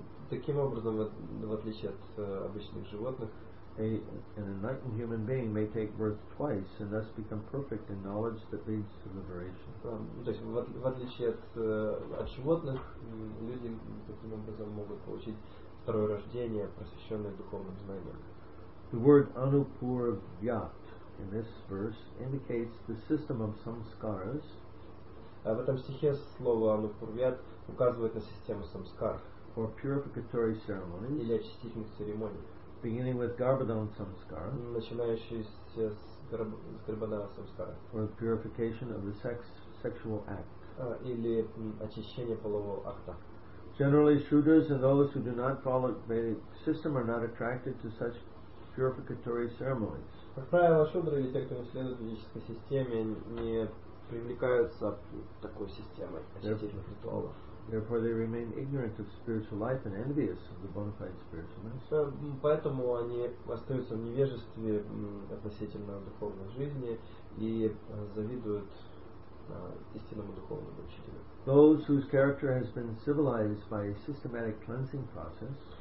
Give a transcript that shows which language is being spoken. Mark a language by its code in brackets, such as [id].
[ru] таким образом, в отличие от обычных животных, [en] An enlightened human being may take birth twice and thus become perfect in knowledge that leads to liberation. [ru] То есть в отличие от животных, люди таким образом могут получить второе рождение, просвещенное духовным знанием. [en] The word anupurvyat in this verse indicates the system of samskaras. [ru] В этом стихе слово anupurvyat указывает на систему самскар. [en] For purificatory ceremonies. [ru] Или очистительных церемоний. [en] Beginning with Garbhadhan samskara, [ru] начинающийся с Garbhadhana samskara, [en] or purification of the sexual act, [ru] или очищение полового акта. [en] Generally, shudras and those who do not follow Vedic system are not attracted to such purificatory ceremonies. [ru] Как правило, шудры или те, кто не следует ведической системе, не привлекаются такой системой очистительных ритуалов. [en] Therefore, they remain ignorant of spiritual life and envious of the bona fide spiritual master. [ru] Поэтому они остаются в невежестве относительно духовной жизни и завидуют истинному духовному учителю. [en] Those whose character has been civilized by a systematic cleansing process.